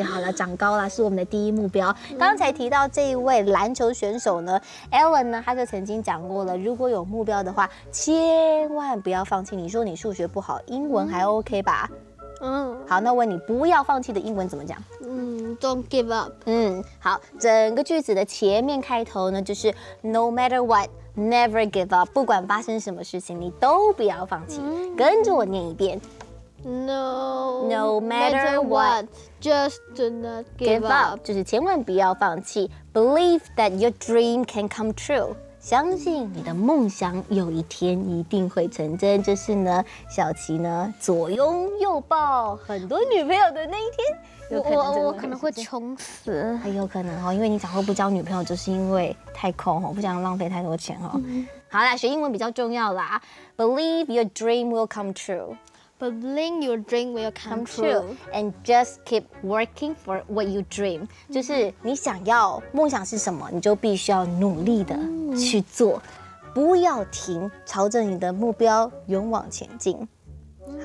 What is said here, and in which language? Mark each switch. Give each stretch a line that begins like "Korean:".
Chinese: 好了，长高啦，是我们的第一目标。刚才提到这一位篮球选手呢 ，Allen 呢，他就曾经讲过了，如果有目标的话，千万不要放弃。你说你数学不好，英文还 OK 吧？好，那问你不要放弃的英文怎么讲？
English: Don't give up。
Chinese: 好，整个句子的前面开头呢，就是
English: No matter what， Never give up，
Chinese: 不管发生什么事情，你都不要放弃。跟着我念一遍。
English: No matter what, just do not give up.
Chinese: 就是千万不要放弃。
English: Believe that your dream can come true.
Chinese: 相信你的梦想有一天一定会成真。就是呢，小琪呢左拥右抱很多女朋友的那一天，我可能会穷死。很有可能哦，因为你早后不交女朋友，就是因为太空哦，不想浪费太多钱哦。好啦，学英文比较重要啦。
English: Believe your dream will come true. Believe your dream will come true, and just keep working for what you dream.、Mm-hmm.
Chinese: 就是你想要梦想是什么，你就必须要努力的去做， mm-hmm. 不要停，朝着你的目标勇往前进， mm-hmm.